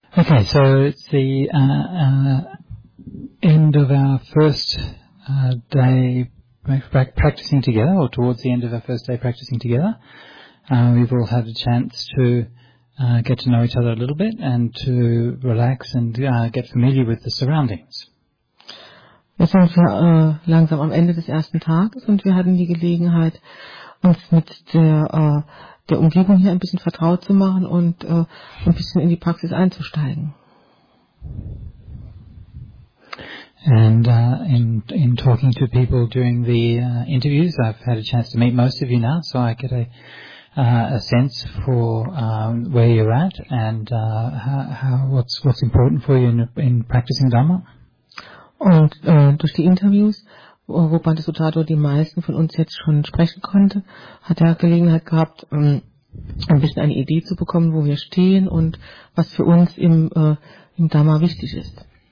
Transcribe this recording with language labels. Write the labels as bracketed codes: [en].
[en] Okay, so it's the end of our first day practicing together, or towards the end of our first day practicing together. We've all had a chance to get to know each other a little bit and to relax and get familiar with the surroundings. [de] Wir sind langsam am Ende des ersten Tages und wir hatten die Gelegenheit, uns mit der Umgebung hier ein bisschen vertraut zu machen und ein bisschen in die Praxis einzusteigen. [en] And in talking to people during the interviews, I've had a chance to meet most of you now, so I get a sense for where you're at and what's important for you in practicing Dhamma. [de] Und durch die Interviews, wo Bhante die meisten von uns jetzt schon sprechen konnte, hat er Gelegenheit gehabt, ein bisschen eine Idee zu bekommen, wo wir stehen und was für uns im, im Dhamma wichtig ist.